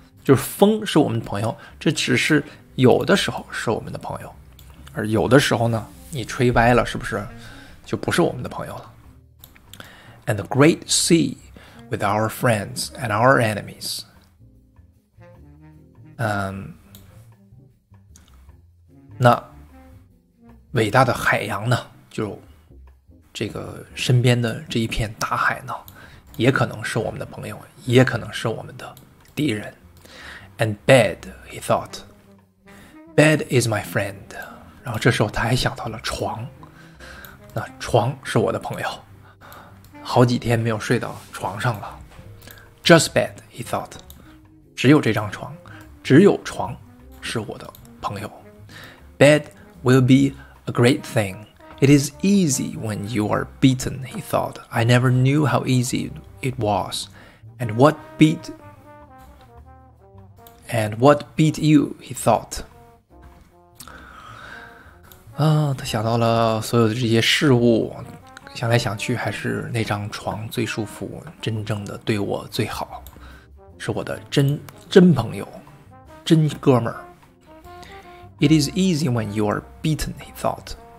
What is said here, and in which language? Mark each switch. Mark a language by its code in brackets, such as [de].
[zh] 就是风是我们的朋友，这只是有的时候是我们的朋友，而有的时候呢，你吹歪了，是不是就不是我们的朋友了？ [en] And the great sea with our friends and our enemies. [zh] 那伟大的海洋呢，就这个身边的这一片大海呢，也可能是我们的朋友，也可能是我们的敌人。 [en] And bed, he thought. Bed is my friend. [zh] 然后这时候他还想到了床。那床是我的朋友。好几天没有睡到床上了。 [en] Just bed, he thought. [zh] 只有这张床，只有床是我的朋友。 [en] Bed will be a great thing. It is easy when you are beaten, he thought. I never knew how easy it was. And what beat you, he thought. [zh] 他想到了所有的这些事物，想来想去还是那张床最舒服，真正的对我最好，是我的真朋友，真哥们儿。 [en] It is easy when you are beaten, he thought.